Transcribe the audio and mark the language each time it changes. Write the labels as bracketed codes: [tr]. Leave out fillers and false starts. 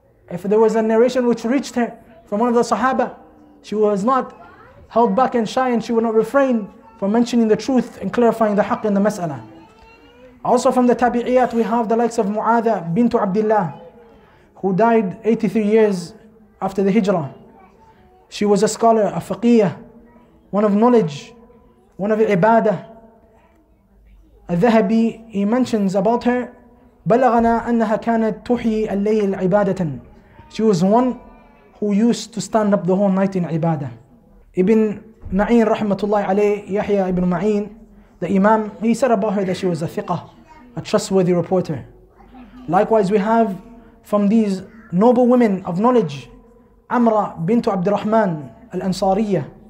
[en] If there was a narration which reached her from one of the sahaba, she was not held back and shy, and she would not refrain from mentioning the truth and clarifying the haqq in the mas'ala. Also from the tabi'iyat, we have the likes of Mu'adha bintu Abdullah, who died 83 years after the hijrah. She was a scholar, a faqiyah, one of knowledge, one of ibadah, [ar] الذهبي, [en] he mentions about her, [ar] بلغنا أنها كانت تحيي الليل عبادة. [en] She was one who used to stand up the whole night in ibadah. Ibn Ma'in rahmatullahi alayhi, Yahya ibn Ma'in, the Imam, he said about her that she was a thiqah, a trustworthy reporter. Likewise, we have from these noble women of knowledge, Amra bint Abdurrahman al-Ansariya.